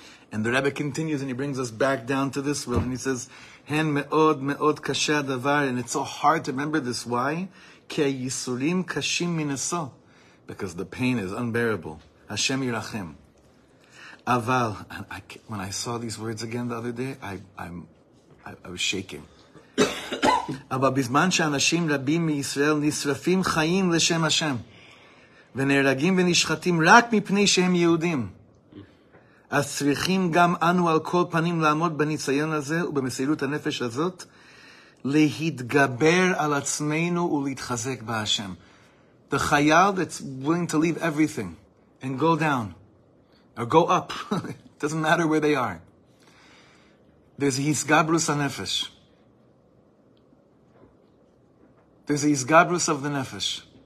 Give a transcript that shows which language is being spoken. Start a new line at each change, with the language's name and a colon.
English: And the Rebbe continues and he brings us back down to this world and he says,
Hebrew: Hen me'od me'od kasha davar,
English: and it's so hard to remember this. Why?
Hebrew: Ke yisurim kashim minaso,
English: because the pain is unbearable.
Hebrew: Hashem yirachem.
English: Aval, and I, when I saw these words again the other day, I was shaking.
Hebrew: אבל בזמן שאנשים רבים מישראל נשרפים חיים לשם השם ונהרגים ונשחטים רק מפני שהם יהודים אז צריכים גם אנו על כל פנים לעמוד בניסיון הזה ובמסירות הנפש הזאת להתגבר על עצמנו ולהתחזק בהשם.
English: The chayal that's willing to leave everything and go down or go up, it doesn't matter where they are, there's hisgabrus hanefesh. There's the Yisgabrus of the Nefesh.